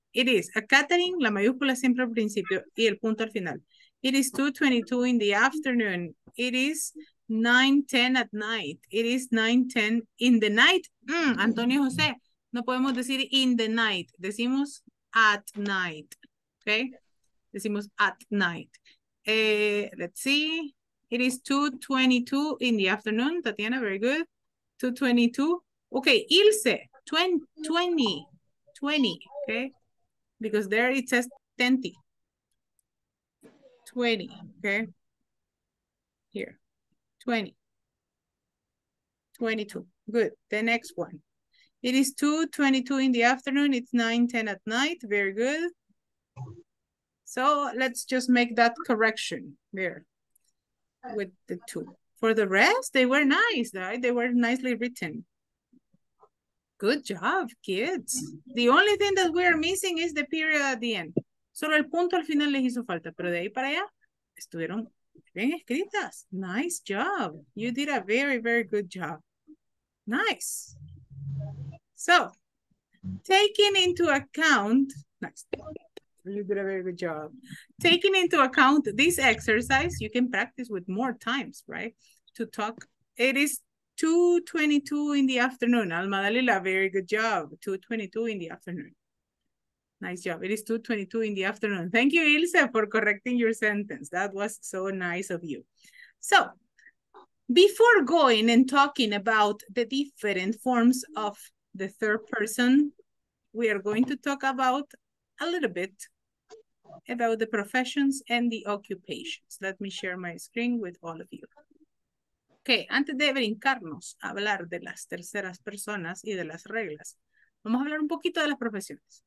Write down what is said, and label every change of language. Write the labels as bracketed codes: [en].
[en] It is, [es] a Catherine, la mayúscula siempre al principio y el punto al final. [en] It is 2:22 in the afternoon, it is 9:10 at night. It is 9:10 in the night. Antonio José, [es] no podemos decir [en] in the night. [es] Decimos at night. Okay? Decimos at night. [en] Let's see. It is 2:22 in the afternoon. Tatiana, very good. 2:22. Okay, Ilse, 20. Okay? Because there it says 20. 20. Okay? Here. 22. Good. The next one. It is 2:22 in the afternoon. It's 9:10 at night. Very good. So let's just make that correction there with the two. For the rest, they were nice, right? They were nicely written. Good job, kids. The only thing that we are missing is the period at the end. [es] Solo el punto al final les hizo falta, pero de ahí para allá, estuvieron bien escritas. [en] Nice job. You did a very, very good job. Nice. So, taking into account, nice. You did a very good job. Taking into account this exercise, you can practice with more times, right? To talk, it is 2:22 in the afternoon. Alma Dalila, very good job. 2:22 in the afternoon. Nice job. It is 2:22 in the afternoon. Thank you, Ilse, for correcting your sentence. That was so nice of you. So, before going and talking about the different forms of the third person, we are going to talk about a little bit about the professions and the occupations. Let me share my screen with all of you. [es] Okay, antes de brincarnos a hablar de las terceras personas y de las reglas, vamos a hablar un poquito de las profesiones.